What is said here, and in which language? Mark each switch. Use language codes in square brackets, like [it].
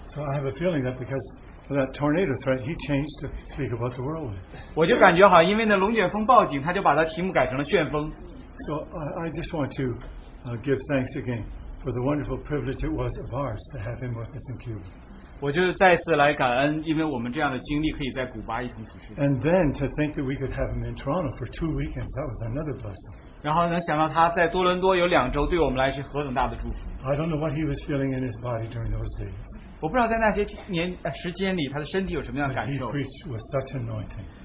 [en] So I have a feeling that because of that tornado threat, he changed to speak about the whirlwind. [zh] 我就感觉好像因为那龙卷风报警, 他就把他题目改成了旋风。 [en] So I just want to give thanks again for the wonderful privilege it was of ours to have him with us in Cuba. [zh] 我就再次来感恩,因为我们这样的经历可以在古巴一同服侍。 [en] And then to think that we could have him in Toronto for 2 weekends, that was another blessing. I don't know what he was feeling in his body during those days. But he preached with such anointing.